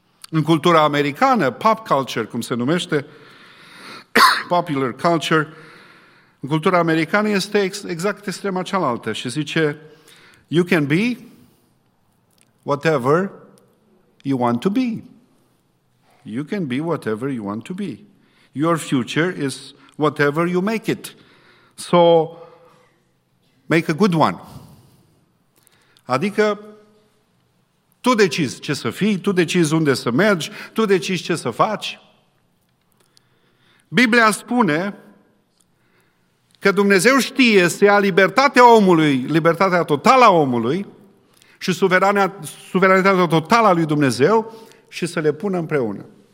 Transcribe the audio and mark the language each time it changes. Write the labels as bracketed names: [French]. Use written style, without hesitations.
[Romanian] În cultura americană, pop culture, cum se numește, popular culture, în cultura americană este exact extrema cealaltă și zice [English] you can be whatever you want to be. You can be whatever you want to be. Your future is whatever you make it. So, make a good one. [Romanian] Adică, tu decizi ce să fii, tu decizi unde să mergi, tu decizi ce să faci. Biblia spune că Dumnezeu știe să ia libertatea omului, libertatea totală a omului și suveranitatea totală a lui Dumnezeu și să le pună împreună.